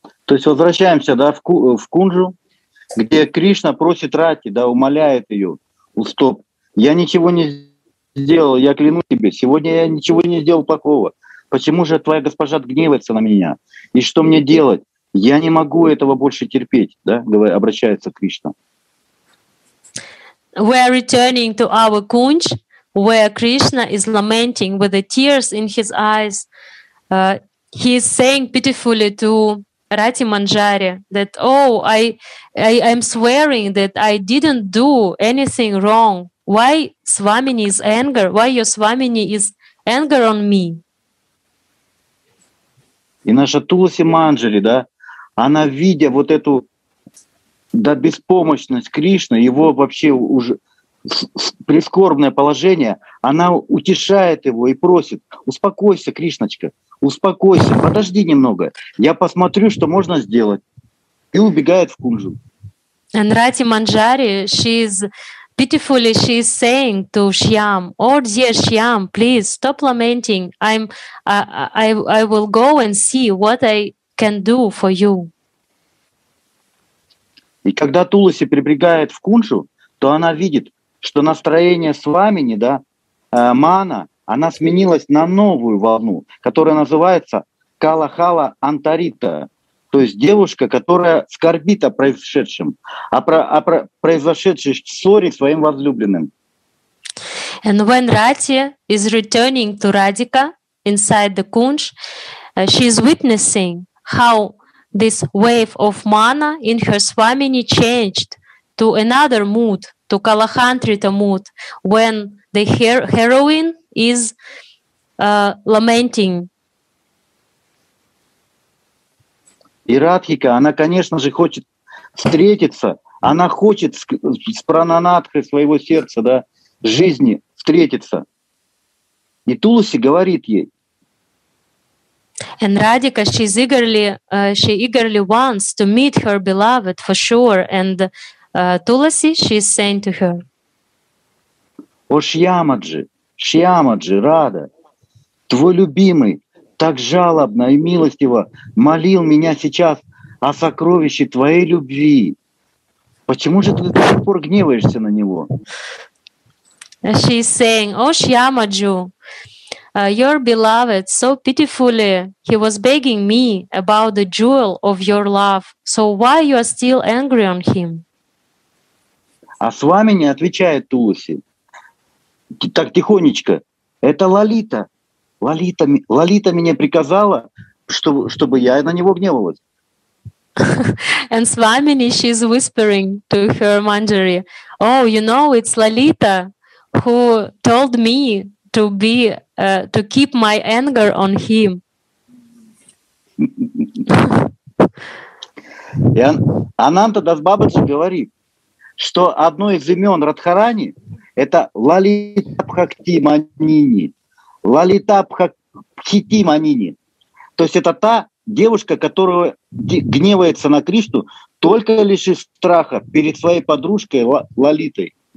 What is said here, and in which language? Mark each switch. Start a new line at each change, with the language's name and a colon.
Russian: То есть возвращаемся, да, в кунджу, где Кришна просит Рати, да, умоляет ее, стоп, я ничего не сделал, я клянусь тебе, сегодня я ничего не сделал плохого, почему же твоя госпожа гневается на меня, и что мне делать, я не могу этого больше терпеть, да, обращается Кришна.
English: We are returning to our kunj, where Krishna is lamenting with the tears in his eyes. He is saying pitifully to Rati Manjari that, oh, I'm swearing that I didn't do anything wrong. Why Swamini is anger? Why your Swamini is anger on me?
Russian: И наша Туласи Манджари, да, она, видя вот эту... Да, беспомощность Кришны, его вообще уже прискорбное положение, она утешает его и просит: успокойся, Кришночка, успокойся, подожди немного, я посмотрю, что можно сделать, и убегает в кунжу.
English: And Rati Manjari, she is pitifully she is saying to Shyam, "Oh dear Shyam, please stop lamenting. I will go and see what I can do for you."
Russian: И когда Туласи прибегает в Кунджу, то она видит, что настроение свамини, да, мана, она сменилась на новую волну, которая называется Калахала Антарита. То есть девушка, которая скорбит о произошедшем, о произошедшей ссоре своим возлюбленным.
English: And when Rati is returning to Radhika inside the Kunj, she is witnessing how this wave of mana in her swamini changed to another mood, to Kalahantrita mood, when the heroine is lamenting.
Russian: И Радхика, она, конечно же, хочет встретиться, она хочет с прананадхой своего сердца, да, жизни встретиться. И Туласи говорит ей.
English: And Radhika, she eagerly wants to meet her beloved for sure, and Tulasi, she is saying to her.
Russian: О, Шьямаджи, Шьямаджи, Рада, твой любимый, так жалобно и милостиво молил меня сейчас о сокровище твоей любви. Почему же ты до сих пор гневаешься на него?
English: She is saying, "Oh, Shyamaju, your beloved, so pitifully, he was begging me about the jewel of your love. So why you are still angry on him?"
Russian: А свамини отвечает Туласи. Так тихонечко. Это Лолита. Лолита меня приказала, чтобы я на него гневалась.
English: And Swamini, she is whispering to her Manjari, "Oh, you know, it's Lolita who told me to be to keep my anger on him."
Russian: И Ананта Дас Бабаджи говорит, что одно из имен Радхарани — это Лолита Бхакти Манини. Лолита Бхакти Манини. То есть это та девушка, которая гневается на Кришну только лишь из страха перед своей подружкой Лолитой.